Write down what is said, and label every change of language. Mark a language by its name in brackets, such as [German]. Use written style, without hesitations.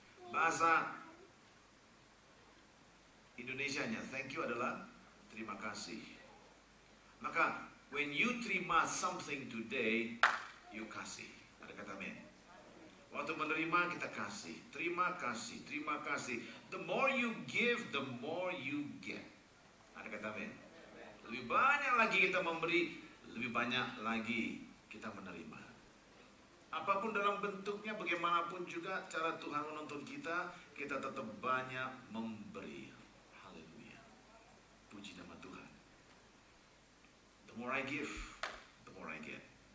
[Indonesian] Bahasa Indonesianya thank you adalah terima kasih. Maka [English] when you [Indonesian] terima [English] something today, you [Indonesian] kasih. Ada kata amin. Waktu menerima kita kasih. Terima kasih, terima kasih. [English] The more you give, the more you get. [Indonesian] Ada kata amin. Lebih banyak lagi kita memberi, lebih banyak lagi kita menerima. Apapun dalam bentuknya, bagaimanapun juga cara Tuhan menuntun kita, kita tetap banyak memberi. Haleluya. Puji nama Tuhan. [English] The more I give, the more I get.